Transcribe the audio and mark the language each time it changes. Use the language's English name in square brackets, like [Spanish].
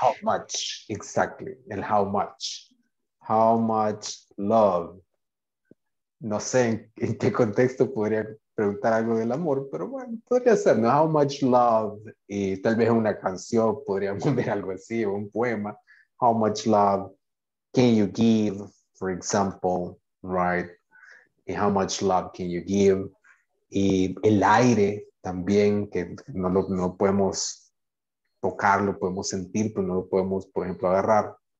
[English] How much, exactly. El how much. How much love. [Spanish] No sé en qué contexto podría preguntar algo del amor, pero bueno, podría ser, ¿no? [English] How much love. [Spanish] Y tal vez una canción, podríamos ver algo así, un poema. [English] How much love can you give, for example, right? And how much love can you give? [Spanish] Y el aire también, que no podemos tocarlo, podemos sentir, pero no lo podemos, por ejemplo, agarrar.